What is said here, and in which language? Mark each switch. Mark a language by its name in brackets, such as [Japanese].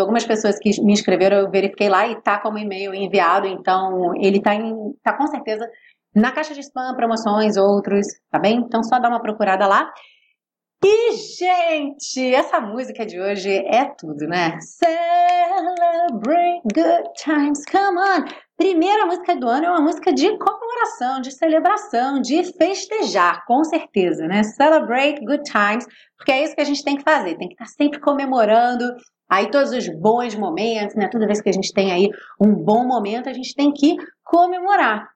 [Portuguese] Algumas pessoas que me escreveram, eu verifiquei lá e tá como e-mail enviado, então ele tá com certeza na caixa de spam, promoções, outros, tá bem? Então só dá uma procurada lá. E, gente, essa música de hoje é tudo, né? [English] Celebrate good times, come on! [Portuguese] Primeira música do ano é uma música de comemoração, de celebração, de festejar, com certeza, né? [English] Celebrate good times, [Portuguese] porque é isso que a gente tem que fazer, tem que estar sempre comemorando aí todos os bons momentos, né? Toda vez que a gente tem aí um bom momento, a gente tem que comemorar.